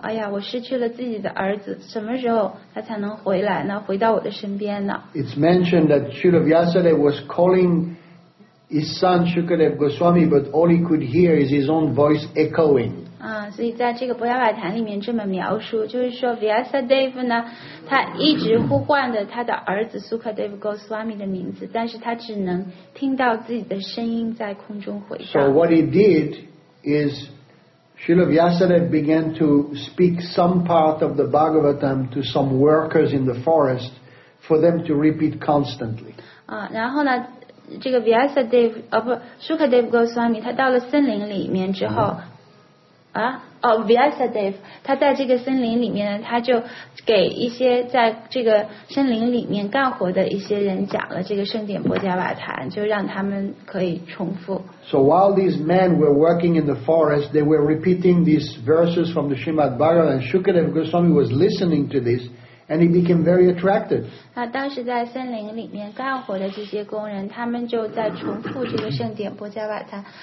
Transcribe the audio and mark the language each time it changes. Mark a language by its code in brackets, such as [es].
[zh] 哎呀，我失去了自己的儿子，什么时候他才能回来呢？回到我的身边呢 [en] ？It's mentioned that Srila Vyasadeva was calling. His son Shukadev Goswami, but all he could hear is his own voice echoing. [zh] 所以在这个《博雅瓦坛》里面这么描述，就是说 Vyasadeva 呢，他一直呼唤着他的儿子 Sukadev Goswami 的名字，但是他只能听到自己的声音在空中回荡。 [en] So what he did is, Srila Vyasadeva began to speak some part of the Bhagavatam to some workers in the forest for them to repeat constantly. [zh] 然后呢？这个 Vyasadeva Shukadev Goswami 他到了森林里面之后Vyasadeva 他在这个森林里面呢，他就给一些在这个森林里面干活的一些人讲了这个圣典波迦瓦坛，就让他们可以重复。 [en] So while these men were working in the forest, they were repeating these verses from the Srimad Bhagavatam, and Shukadev Goswami was listening to this, and he became very attractive. [zh] 他当时在森林里面干活的这些工人，他们就在重复这个圣典波迦瓦塔。